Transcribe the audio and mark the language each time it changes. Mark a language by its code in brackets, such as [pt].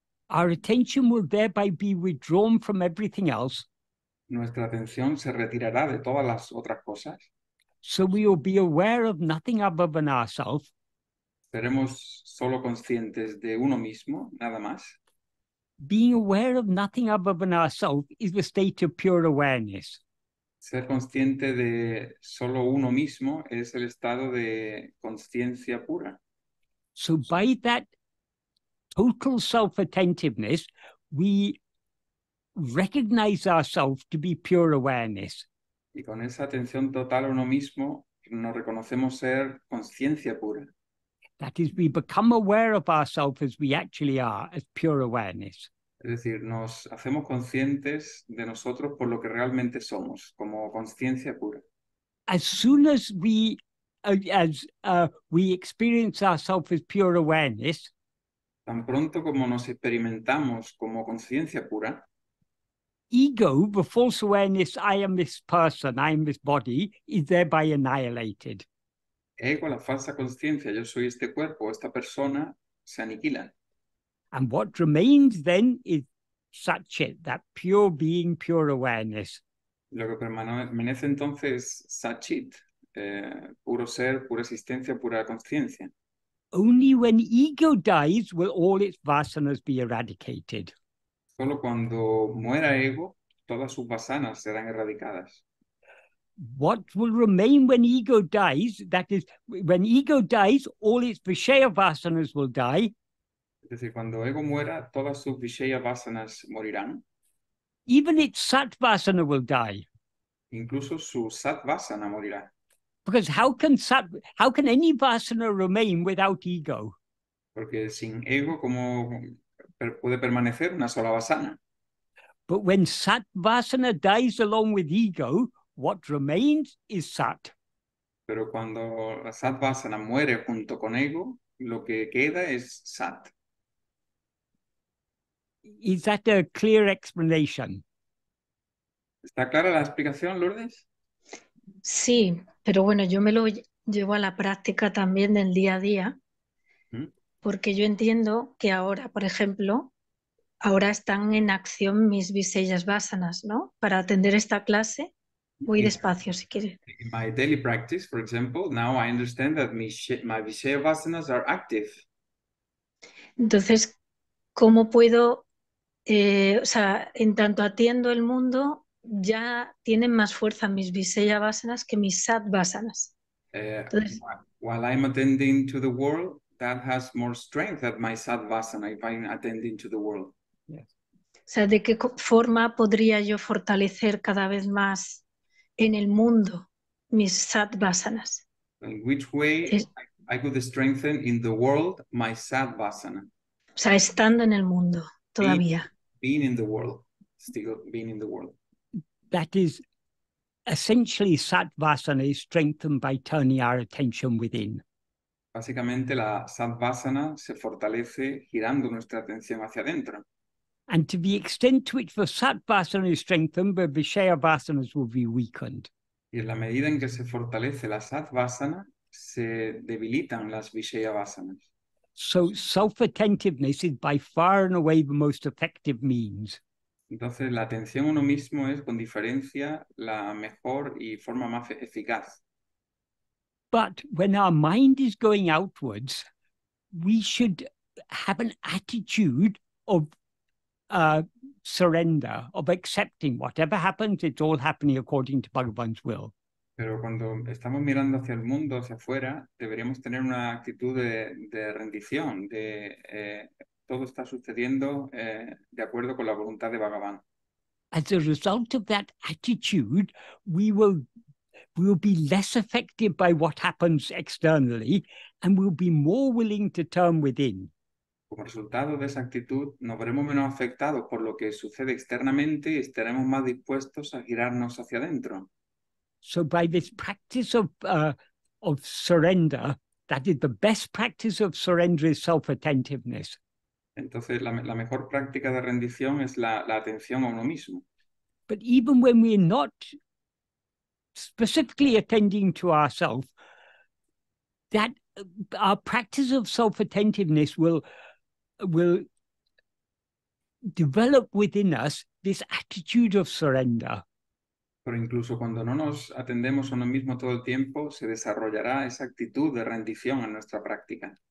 [en] our attention will thereby be withdrawn from everything else. [es] Nuestra atención se retirará de todas las otras cosas. [en] So we will be aware of nothing other than ourselves. [es] Seremos solo conscientes de uno mismo, nada más. [en] Being aware of nothing other than ourselves is the state of pure awareness. [es] Ser consciente de solo uno mismo es el estado de consciencia pura. [en] So by that total self-attentiveness, we recognize ourselves to be pure awareness. [es] Y con esa atención total a uno mismo, nos reconocemos ser conciencia pura. [en] That is, we become aware of ourselves as we actually are, as pure awareness. [es] Es decir, nos hacemos conscientes de nosotros por lo que realmente somos, como conciencia pura. [en] As soon as we experience ourselves as pure awareness, [es] tan pronto como nos experimentamos como conciencia pura, [en] ego, the false awareness, I am this person, I am this body, is thereby annihilated. [es] Ego, la falsa conciencia, yo soy este cuerpo, esta persona, se aniquila. [en] And what remains then is satchit, that pure being, pure awareness. [es] Lo que permanece entonces satchit, puro ser, pura existencia, pura conciencia. [en] Only when ego dies will all its vasanas be eradicated. [es] Solo cuando muera ego, todas sus vasanas serán erradicadas. [en] What will remain when ego dies, that is, when ego dies, all its vishaya vasanas will die. [es] Es decir, cuando ego muera, todas sus vishaya vasanas morirán. [en] Even its sat vasana will die. [es] Incluso su sat vasana morirá. [en] Because how can any vasana remain without ego? [es] Porque sin ego, ¿cómo puede permanecer una sola vasana? [en] But when sat vasana dies along with ego, what remains is sat. [es] Pero cuando la sat vasana muere junto con ego, lo que queda es sat. [en] Is that a clear explanation? [es] ¿Está clara la explicación, Lourdes? Sí, pero bueno, yo me lo llevo a la práctica también del día a día, porque yo entiendo que ahora, por ejemplo, ahora están en acción mis viseyas vasanas, ¿no? Para atender esta clase, voy despacio, si quieres. [en] In my daily practice, for example, now I understand that my viseya vasanas are active. [es] Entonces, ¿cómo puedo, en tanto atiendo el mundo, ya tienen más fuerza mis viseya vasanas que mis sat vasanas? [en] Entonces, while I'm attending to the world, that has more strength than my sat vasana if I'm attending to the world. Yes. [es] O sea, ¿de qué forma podría yo fortalecer cada vez más en el mundo mis sat vasanas? [en] In which way I could strengthen in the world my sat vasana? [es] O sea, estando en el mundo todavía. [en] Being in the world, still being in the world. That is, essentially, sat vasana is strengthened by turning our attention within. [es] Básicamente, la sat vasana se fortalece girando nuestra atención hacia adentro. [en] And to the extent to which the sat vasana is strengthened, the vishaya vasanas will be weakened. [es] Y en la medida en que se fortalece la sat vasana, se debilitan las vishaya vasanas. [en] So self-attentiveness is by far and away the most effective means. [es] Entonces, la atención a uno mismo es, con diferencia, la mejor y forma más eficaz. [en] But when our mind is going outwards, we should have an attitude of surrender, of accepting whatever happens, it's all happening according to Bhagavan's will. [es] Pero cuando estamos mirando hacia el mundo, hacia afuera, deberíamos tener una actitud de rendición, de todo está sucediendo de acuerdo con la voluntad de Bhagavan. [en] As a result of that attitude, we will be less affected by what happens externally and we'll be more willing to turn within. [es] Como resultado de esa actitud, nos veremos menos afectados por lo que sucede externamente y estaremos más dispuestos a girarnos hacia adentro. [en] So by this practice of surrender, that is the best practice of surrender is self-attentiveness. [es] Entonces, la mejor práctica de rendición es la atención a uno mismo. [en] But even when we're not specifically attending to ourselves, that our practice of self-attentiveness will develop within us this attitude of surrender. [es] Pero incluso cuando no nos atendemos a uno mismo todo el tiempo, se desarrollará esa actitud de rendición en nuestra práctica.